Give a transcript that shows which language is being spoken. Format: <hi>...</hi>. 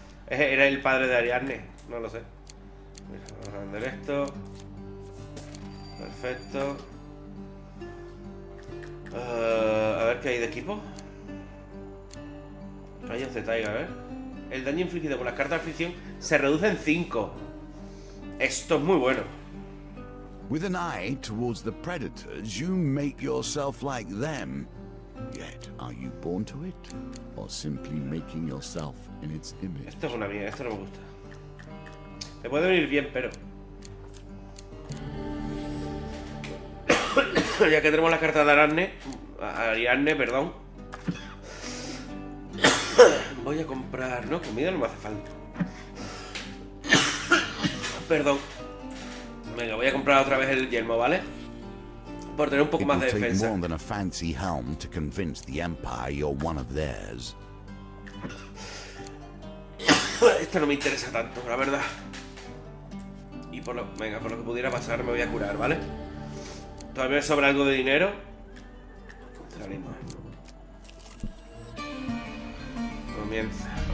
<es>Era el padre de Ariadne. No lo sé. Mira, vamos a vender esto. Perfecto. A ver qué hay de equipo. Rayos de Taiga, a ver. El daño infligido con las cartas de afición se reduce en 5. Esto es muy bueno.</es> <en>With an eye towards the predators, you make yourself like them. Yet, are you born to it, or simply making yourself in its image?</en> <es>Esto es una mierda, esto no me gusta. Te puede venir bien, pero... ya que tenemos la carta de Ariadne, voy a comprar... No, comida no me hace falta. Perdón. Venga, voy a comprar otra vez el yelmo, ¿vale? Por tener un poco más de defensa.</es> <en>It'll take more than a fancy helm to convince the Empire you're one of theirs.</en> <es>Esto no me interesa tanto, la verdad. Y por lo... Venga, por lo que pudiera pasar me voy a curar, ¿vale? Todavía sobra algo de dinero. Te animo. Comienza.</es>